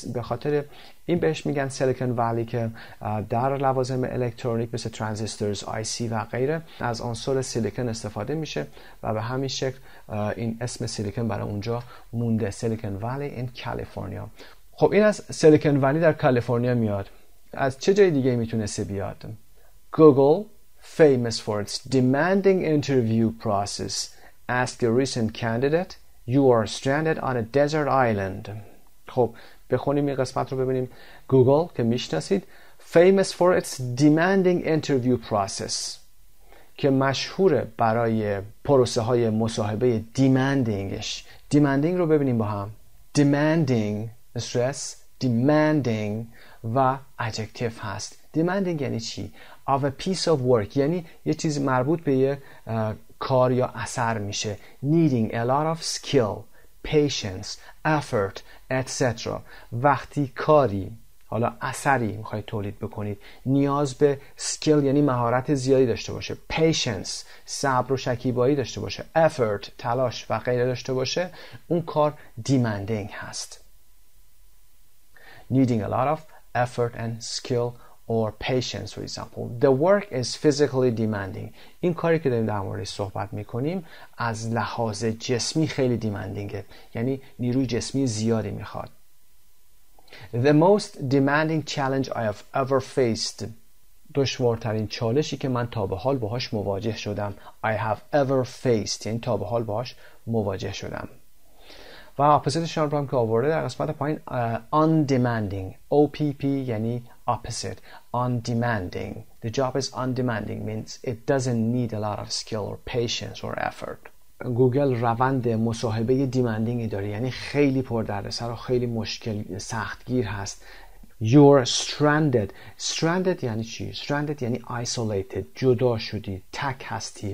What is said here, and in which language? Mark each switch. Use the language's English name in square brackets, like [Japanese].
[Persian] به خاطر این بهش میگن سیلیکون ولی، که در لوازم الکترونیک مثل ترانزیستورز، آی سی و غیره از عنصر سیلیکون استفاده میشه و به همین شکل این اسم سیلیکون برای اونجا مونده، سیلیکون ولی این کالیفرنیا. خب این از سیلیکون ولی در کالیفرنیا میاد. از چه جای دیگه میتونه بیاد؟ گوگل [English] famous for its demanding interview process. Ask a recent candidate, you are stranded on a desert island. [Persian] خب بخونیم این قسمت رو ببینیم. گوگل که میشناسید، [English] famous for its demanding interview process، [Persian] که مشهوره برای پروسه های مصاحبه demandingش. demanding رو ببینیم با هم. demanding stress، demanding و adjective هست. demanding یعنی چی؟ [English] of a piece of work، [Persian] یعنی یه چیز مربوط به یه کار یا اثر میشه. [English] needing a lot of skill، patience، effort، etc. [Persian] وقتی کاری، حالا اثری میخوای تولید بکنید، نیاز به skill یعنی مهارت زیادی داشته باشه، patience صبر و شکیبایی داشته باشه، effort تلاش و غیره داشته باشه، اون کار demanding هست. [English] Needing a lot of effort and skill or patience, for example. The work is physically demanding. [Persian] این کاری که داریم در مورد صحبت میکنیم از لحاظ جسمی خیلی demandingه. یعنی نیروی جسمی زیادی میخواد. [English] The most demanding challenge I have ever faced. [Persian] دشوارترین چالشی که من تا به حال باهاش مواجه شدم. [English] I have ever faced. [Persian] یعنی تا به حال باهاش مواجه شدم. و اپوزیتش رو هم که آورده در قسمت پایین، undemanding، OPP یعنی opposite، undemanding. [English] The job is undemanding means it doesn't need a lot of skill or patience or effort. [Persian] گوگل روند مصاحبه demandingی داره، یعنی خیلی پردردسر و خیلی مشکل سختگیر هست. [English] You're stranded. [Persian] Stranded یعنی چی؟ Stranded یعنی isolated، جدا شدی، تک هستی.